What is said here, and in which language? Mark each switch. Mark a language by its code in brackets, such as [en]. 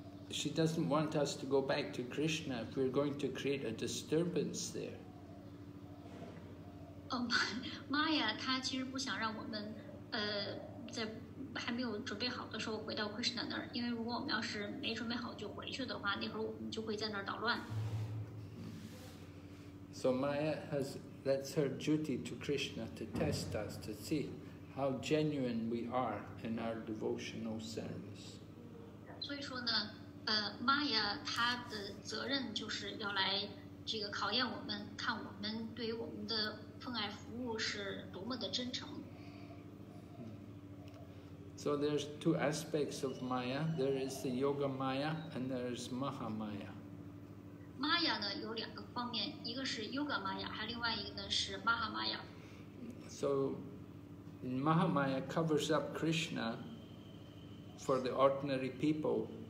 [en] She doesn't want us to go back to Krishna if we're going to create a disturbance there. [zh] Maya, 她其实不想让我们，在还没有准备好的时候回到 Krishna 那儿，因为如果我们要是没准备好就回去的话，那会儿我们就会在那儿捣乱。 [en] So Maya has that's her duty to Krishna to test us to see how genuine we are in our devotional service. [zh] 所以说呢。 Maya 她的责任就是要来这个考验我们，看我们对于我们的奉爱服务是多么的真诚。 [en] So there's two aspects of Maya. There is the Yoga Maya and there is Maha Maya. [zh] Maya 呢有两个方面，一个是 Yoga Maya， 还有另外一个呢是 Maha Maya。 [en] So Maha Maya covers up Krishna for the ordinary people.